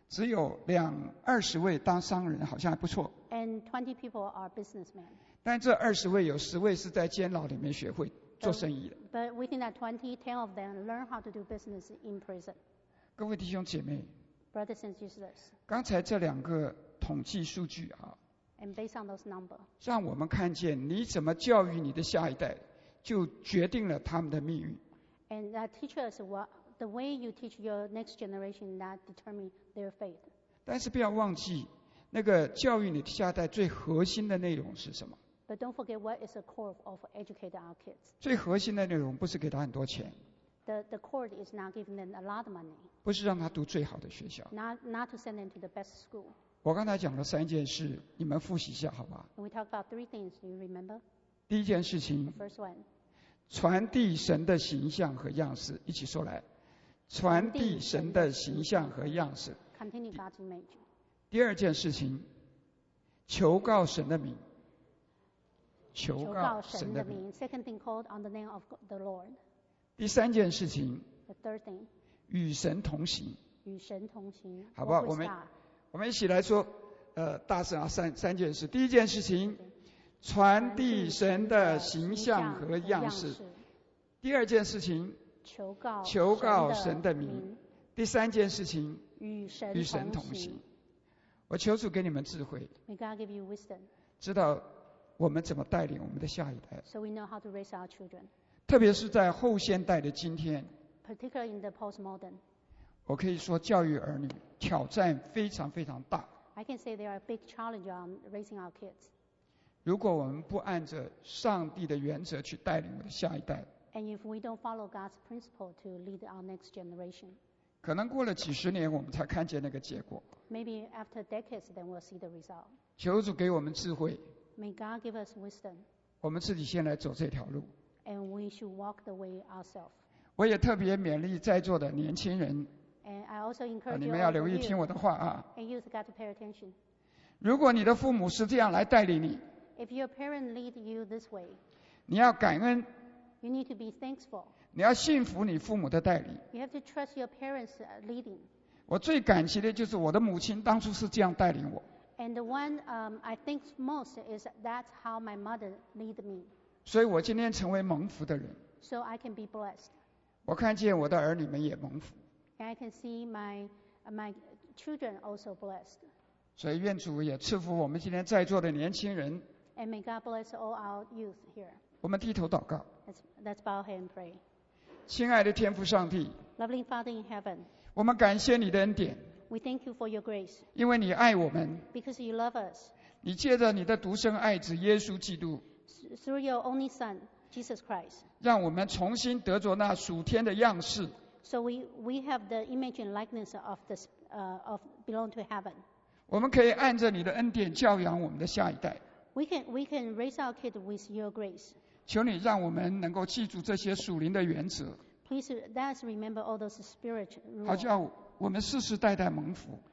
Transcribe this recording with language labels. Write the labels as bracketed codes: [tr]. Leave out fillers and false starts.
[zh] 只有20位当商人，好像还不错。 [en] And 20 people are businessmen. [zh] 但这20位有10位是在监牢里面学会做生意的。 [en] But within that 20, 10 of them learn how to do business in prison. [zh] 各位弟兄姐妹。 [en] Brothers and sisters. [zh] 刚才这两个统计数据啊。 [en] And based on those numbers. [zh] 让我们看见你怎么教育你的下一代，就决定了他们的命运。 [en] And that teaches what the way you teach your next generation that determine their fate. [zh] 但是不要忘记，那个教育你的下一代最核心的内容是什么 [en] ？But don't forget what is the core of educating our kids. [zh] 最核心的内容不是给他很多钱。 [en] The core is not giving them a lot of money. [zh] 不是让他读最好的学校。 [en] Not to send them to the best school. [zh] 我刚才讲了三件事，你们复习一下好吧。 [en] We talk about three things, do you remember? [zh] 第一件事情。 [en] First one. [zh] 传递神的形象和样式，一起说来。传递神的形象和样式。 [en] Continue God's image。 [zh] 第二件事情，求告神的名。求告神的名。 [en] Second thing called on the name of the Lord。 [zh] 第三件事情。 [en] The third thing。 [zh] 与神同行。与神同行。好不好？我们一起来说，大声啊！三件事。第一件事情，传递神的形象和样式。第二件事情，求告神的名。第三件事情，与神同行。我求主给你们智慧。 [en] May God give you wisdom。 [zh] 知道我们怎么带领我们的下一代。 [en] So we know how to raise our children。 [zh] 特别是在后现代的今天。 [en] Particularly in the postmodern。 [zh] 我可以说教育儿女挑战非常非常大。 [en] I can say there are big challenges on raising our kids。 [zh] 如果我们不按着上帝的原则去带领我们的下一代。 [en] And if we don't follow God's principle to lead our next generation。 [zh] 可能过了几十年我们才看见那个结果。 [en] Maybe after decades then we'll see the result。 [zh] 求主给我们智慧。 [en] May God give us wisdom。 [zh] 我们自己先来走这条路。 [en] And we should walk the way ourselves。 [zh] 我也特别勉励在座的年轻人。 [en] And I also encourage you, [zh] 你们要留意听我的话啊。 [en] And you got to pay attention。 [zh] 如果你的父母是这样来带领你。 [en] If your parent lead you this way。 [zh] 你要感恩。 [en] You need to be thankful。 [zh] 你要信服你父母的带领。 [en] You have to trust your parents leading。 [zh] 我最感激的就是我的母亲当初是这样带领我。 [en] And the one, I think most is that's how my mother lead me。 [zh] 所以我今天成为蒙福的人。 [en] So I can be blessed。 [zh] 我看见我的儿女们也蒙福。 [en] And I can see my children also blessed。 [zh] 所以愿主也赐福我们今天在座的年轻人。 [en] And may God bless all our youth here。 [zh] 我们低头祷告。 [en] Let's bow and pray。 [zh] 亲爱的天父上帝。 [en] Loving Father in heaven。 [zh] 我们感谢你的恩典。 [en] We thank you for your grace。 [zh] 因为你爱我们。 [en] Because you love us。 [zh] 你借着你的独生爱子耶稣基督。 [en] Through your only Son Jesus Christ。 [zh] 让我们重新得着那属天的样式。 [en] So we have the image and likeness of this of belong to heaven。 [zh] 我们可以按着你的恩典教养我们的下一代。 [en] We can raise our kid with your grace。 [zh] 求你让我们能够记住这些属灵的原则。 [en] Please let us remember all those spiritual rules。 [zh] 好叫我们世世代代蒙福。